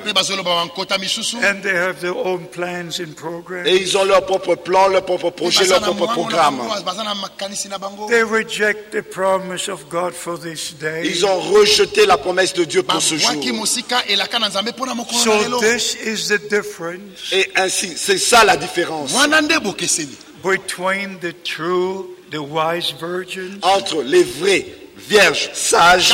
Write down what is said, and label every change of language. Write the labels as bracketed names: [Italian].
[English] And they have their own plans and programs. [French] Et ils ont leurs propres plans, leurs propres projets, leurs propres programmes. [English] They reject the promise of God for this day. [French] Ils ont rejeté la promesse de Dieu pour ce jour. [English] So this is the difference. [French] Et ainsi, c'est ça la différence. [English] Between the true, the wise virgins. [French] Entre les vrais vierges sages.